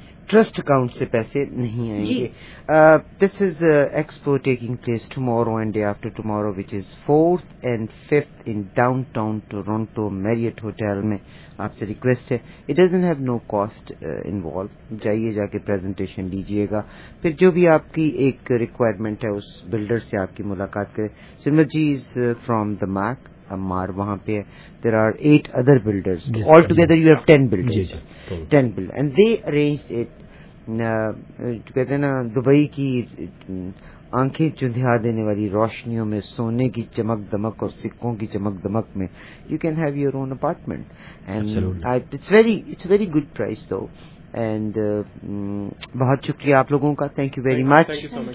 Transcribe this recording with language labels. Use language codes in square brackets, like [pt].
[ur] Trust account سے پیسے نہیں آئیں گے. [en] This is expo taking place tomorrow and day after tomorrow, which is 4th and 5th in downtown Toronto Marriott hotel میں. [ur] آپ سے ریکویسٹ ہے, [en] it doesn't have no cost involve, [ur] جائیے جا کے پریزنٹیشن لیجیے گا, پھر جو بھی آپ کی ایک ریکوائرمنٹ ہے اس بلڈر سے آپ کی ملاقات کریں. [en] Samrat ji is from the میک مار وہاں پہ, there are 8 other builders all together, you have 10 builders, 10 builder and they arrange it. [ur] کہتے ہیں نا دبئی کی آنکھیں چندھیا دینے والی روشنیوں میں, سونے کی چمک دمک اور سکوں کی چمک دمک میں, [en] You can have your own apartment and it's very good price though. And [ur] بہت شکریہ آپ لوگوں کا, [en] Thank you very much.